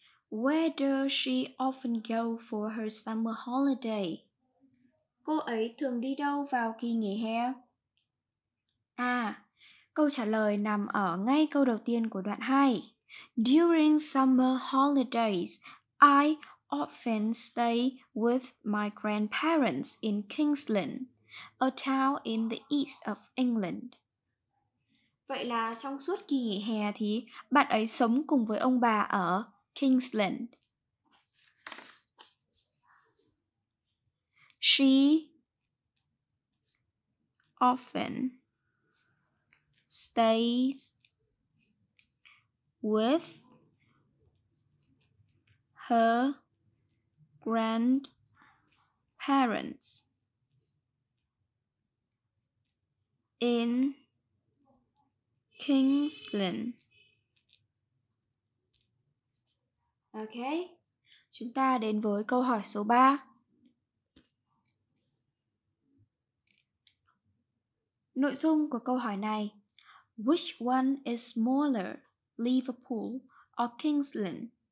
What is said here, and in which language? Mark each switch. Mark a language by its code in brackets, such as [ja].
[en] Where does she often go for her summer holiday? [vi] Cô ấy thường đi đâu vào kỳ nghỉ hè? À, câu trả lời nằm ở ngay câu đầu tiên của đoạn 2. [en] During summer holidays, I often stay with my grandparents in Kingsland, a town in the east of England. [vi] Vậy là trong suốt kỳ nghỉ hè thì bạn ấy sống cùng với ông bà ở Kingsland. [en] She often stays with her grandparents in Kingsland. [vi] Ok, chúng ta đến với câu hỏi số 3. Nội dung của câu hỏi này: [en] Which one is smaller, Liverpool or Kingsland?